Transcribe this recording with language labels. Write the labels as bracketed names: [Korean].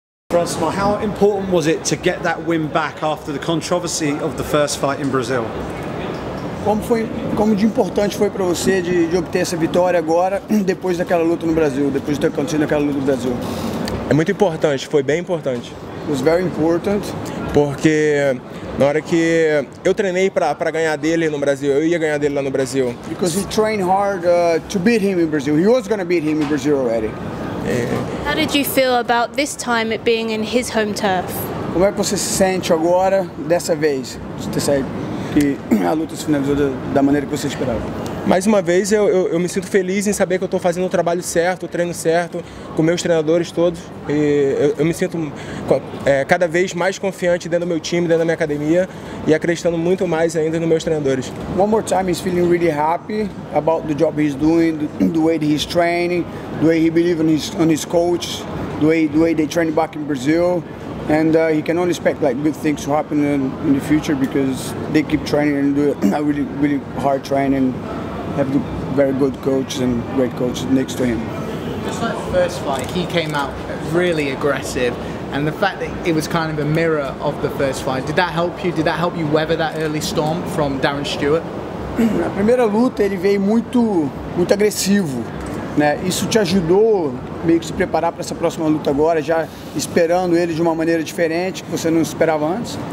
[English] Francimar, how important was it to get that win back after the controversy of the first fight in Brazil? [Portuguese] Como de importante foi para você de obter essa vitória agora, depois daquela luta no Brasil, depois de ter acontecido aquela luta no Brasil? É muito importante, foi bem importante. [English] It was very important. [Portuguese] Porque na hora que eu treinei para ganhar dele no Brasil, eu ia ganhar dele lá no Brasil. [English] Because he trained hard to beat him in Brazil. He was going to beat him in Brazil already. How did you feel about this time it being in his home turf? [Portuguese] Como é que você se sente agora dessa vez? Você sabe que a luta se finalizou da maneira que você esperava. Mais uma vez eu me sinto feliz em saber que eu estou fazendo o trabalho certo, o treino certo, com meus treinadores todos. E eu me sinto cada vez mais confiante dentro do meu time, dentro da minha academia e acreditando muito mais ainda nos meus treinadores. [English] One more time, he's feeling really happy about the job he's doing, the way that he's training, the way he believes on his coach, the way they train back in Brazil. And he can only expect like good things to happen in the future because they keep training and do a really, really hard training. Have the very good coaches and great coaches next to him. Just like the first fight, he came out really aggressive, and the fact that it was kind of a mirror of the first fight, did that help you? Did that help you weather that early storm from Darren Stewart? [Portuguese] Na primeira luta ele veio muito, muito agressivo, né? Isso te ajudou meio que se preparar para essa próxima luta agora, já esperando ele de uma maneira diferente que você não esperava antes?